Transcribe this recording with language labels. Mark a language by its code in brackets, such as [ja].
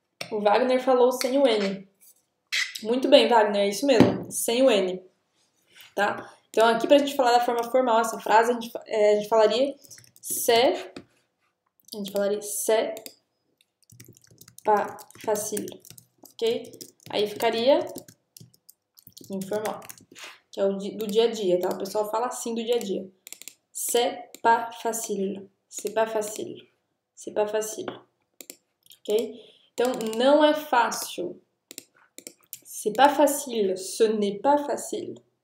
[pt] O Wagner falou sem o N. Muito bem, Wagner, é isso mesmo, sem o N. Tá? Então, aqui, para a gente falar da forma formal, essa frase, a gente falaria ser. A gente falaria [fr] c'est pas facile, [pt] ok? Aí ficaria informal, que é o di do dia a dia, tá? O pessoal fala assim do dia a dia. [fr] C'est pas facile, c'est pas facile, c'est pas facile, ok? [pt] Então, não é fácil. [fr] C'est pas facile, ce n'est pas facile.